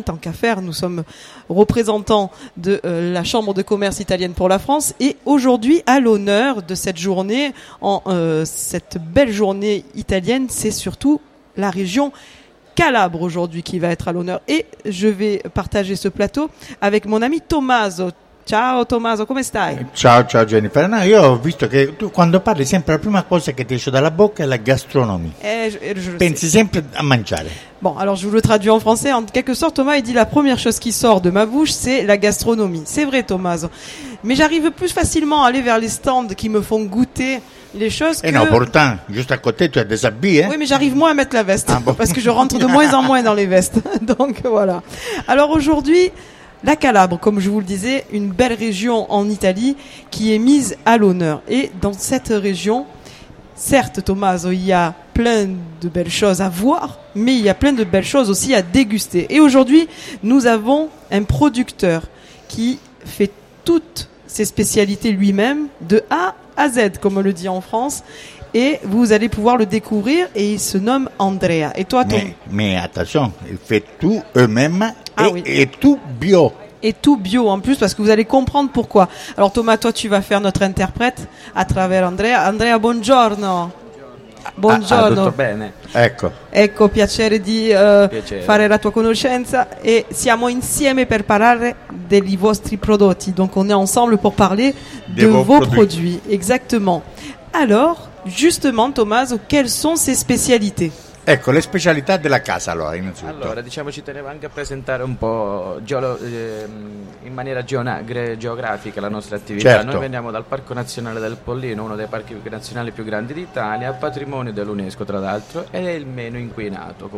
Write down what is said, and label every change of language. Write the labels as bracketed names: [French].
[French] Tant qu'à faire, nous sommes représentants de la Chambre de commerce italienne pour la France. Et aujourd'hui, à l'honneur de cette journée, cette belle journée italienne, c'est surtout la région Calabre aujourd'hui qui va être à l'honneur. Et je vais partager ce plateau avec mon ami Tommaso. [Italian] Ciao Tommaso, come stai? Ciao, ciao Jennifer. No, io ho visto che tu quando parli sempre la prima cosa che ti esce dalla bocca è la gastronomia. Pensi sempre a mangiare. [French] Bon, alors je vous le traduis en français. En quelque sorte, Thomas, il dit la première chose qui sort de ma bouche, c'est la gastronomie. C'est vrai, Tommaso. Mais j'arrive plus facilement à aller vers les stands qui me font goûter les choses que... Et non, pourtant, juste à côté, tu as des habits, hein? Oui, mais j'arrive moins à mettre la veste. Ah, bon. Parce que je rentre de moins en moins dans les vestes. Donc, voilà. Alors aujourd'hui... La Calabre, comme je vous le disais, une belle région en Italie qui est mise à l'honneur. Et dans cette région, certes, Tommaso, il y a plein de belles choses à voir, mais il y a plein de belles choses aussi à déguster. Et aujourd'hui, nous avons un producteur qui fait toutes ses spécialités lui-même, de A à Z, comme on le dit en France. Et vous allez pouvoir le découvrir, et il se nomme Andrea. Et toi, mais attention, il fait tout eux-mêmes. Et tout bio. Et tout bio en plus, parce que vous allez comprendre pourquoi. Alors Thomas, toi tu vas faire notre interprète à travers Andrea. [Italian] Andrea, buongiorno. Buongiorno. Tutto bene. Ecco. Ecco, piacere di fare la tua conoscenza. E siamo insieme per parlare dei vostri prodotti. [French] Donc on est ensemble pour parler de vos produits. Exactement. Alors, justement Thomas, quelles sont ses spécialités? [Italian] Ecco, le specialità della casa, allora, innanzitutto. Allora, diciamo, ci tenevo anche a presentare un po' in maniera geografica la nostra attività. Certo. Noi veniamo dal Parco Nazionale del Pollino, uno dei parchi nazionali più grandi d'Italia, patrimonio dell'UNESCO, tra l'altro, ed è il meno inquinato.